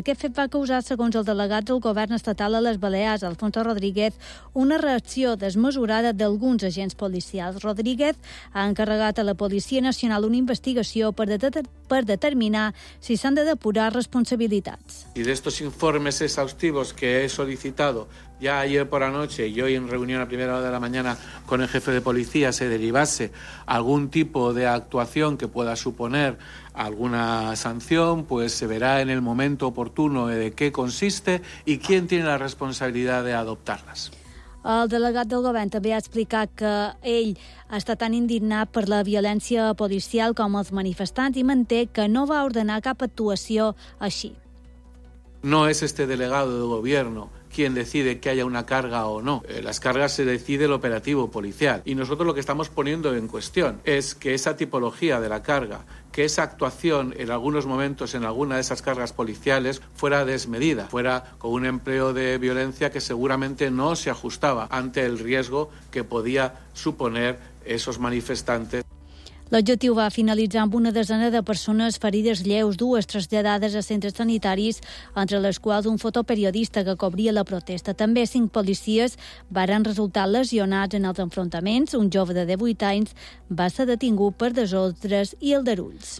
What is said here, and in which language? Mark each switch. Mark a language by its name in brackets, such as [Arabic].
[Catalan] Aquest fet va causar, segons el delegat del govern estatal a les Balears, Alfonso Rodríguez, una reacció desmesurada d'alguns agents policials. Rodríguez ha encarregat a la Policia Nacional una investigació per determinar si s'han de depurar responsabilitats. [Spanish] Y de estos informes exhaustivos que he solicitado ya ayer por la noche y hoy en reunión a primera hora de la mañana con el jefe de policía se derivase algún tipo de actuación que pueda suponer alguna sanción, pues se verá en el momento oportuno de qué consiste y quién tiene la responsabilidad de adoptarlas. [Catalan] El delegat del govern també ha explicat que ell està tan indignat per la violència policial com els manifestants i manté que no va ordenar cap actuació així. [Spanish] No es este delegado de gobierno quien decide que haya una carga o no. Las cargas se decide el operativo policial. Y nosotros lo que estamos poniendo en cuestión es que esa tipología de la carga, que esa actuación en algunos momentos en alguna de esas cargas policiales fuera desmedida, fuera con un empleo de violencia que seguramente no se ajustaba ante el riesgo que podía suponer esos manifestantes. [Catalan] L'objectiu va finalitzar amb una desena de persones ferides lleus, dues traslladades a centres sanitaris, entre les quals un fotoperiodista que cobria la protesta. També 5 policies varen resultar lesionats en els enfrontaments. Un jove de 18 anys va ser detingut per desordres i aldarulls.